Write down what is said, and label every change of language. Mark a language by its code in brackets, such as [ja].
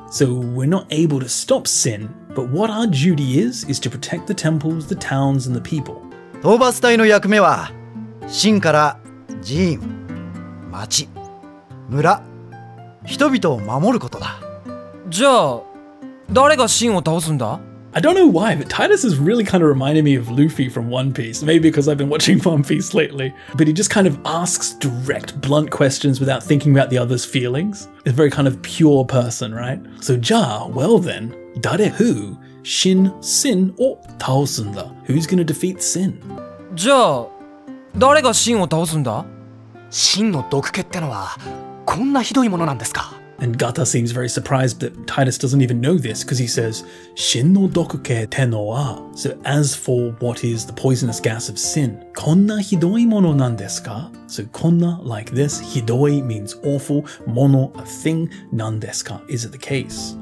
[en] So we're not able to stop sin, but what our duty is to protect the temples, the towns, and the people. [ja] 討伐隊の役目は、神から寺院、町、村、人々を守ることだ。じゃあ、誰が神を倒すんだ? [en] I don't know why, but Titus is really kind of reminding me of Luffy from One Piece. Maybe because I've been watching One Piece lately. But he just kind of asks direct, blunt questions without thinking about the other's feelings. He's a very kind of pure person, right? So, ja, well then, 誰 who, 神, sin, or 倒すんだ? Who's going to defeat sin? [ja] じゃあ、誰が神を倒すんだ? 神の毒気ってのは、こんなひどいものなんですか? [en] And Gata seems very surprised that Titus doesn't even know this because he says, [ja] Shin no dokuke te no wa. [en] So, as for what is the poisonous gas of sin, [ja] konna hidoi mono nan desu ka? [en] So, konna, like this, hidoi means awful, mono, a thing, nan desu ka? Is it the case?